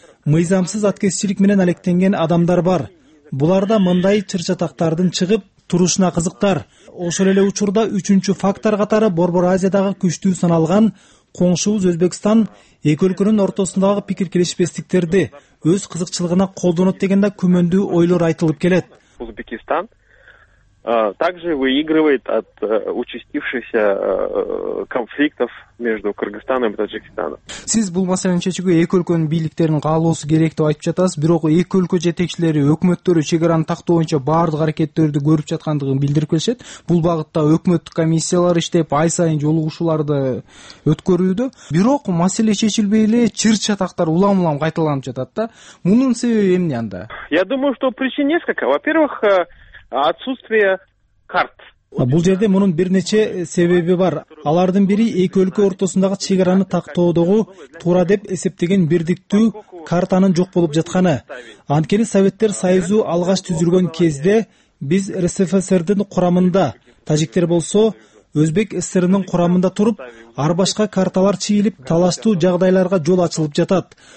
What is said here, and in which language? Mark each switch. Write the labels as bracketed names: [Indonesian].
[Kyrgyz] Мыйзамсыз аткезчилик менен алектенген адамдар бар. Буларда мындай чыр-чатактардын чыгып турушуна кызыктар. Ошол эле учурда үчүнчү фактор катары Борбор Азиядагы күчтүү саналган коңшубуз Өзбекстан эки өлкөнүн ортосундагы пикир келишпестиктерди өз кызыкчылыгына колдонот дегенде күмөндүү ойлор айтылып келет. [Russian] Узбекистан также выигрывает от участившихся конфликтов между Кыргызстаном и Таджикистаном. [Kyrgyz] Сиз бул маселени чечүүгө эки өлкөнүн бийликтеринин каалоосу керек деп айтып жатасыз, бирок эки өлкө жетекчилери, өкмөттөрү чек араны тактоо боюнча баардык аракеттерди көрүп жаткандыгын билдирип келишет. Бул багытта өкмөттүк комиссиялар иштеп, ай сайын жолугушууларды өткөрүүдө. Бирок маселе чечилбей эле чыр-чатактар улам-улам кайталанып жатат да. Мунун себеби эмне анда? [Russian] Я думаю, что причин несколько. Во-первых, отсутствие карт. [Kyrgyz] Бул жерде мунун бир нече себеби бар. Алардын бири эки өлкө ортосундагы чек араны тактоодогу туура деп эсептеген бирдиктүү картанын жок болуп жатканы. Анткени советтер союзу алгач түзүлгөн кезде биз РСФСРдин курамында, тажиктер болсо Өзбек СССРнын курамында туруп, ар башка карталар чийилип, талаштуу жагдайларга жол ачылып жатат.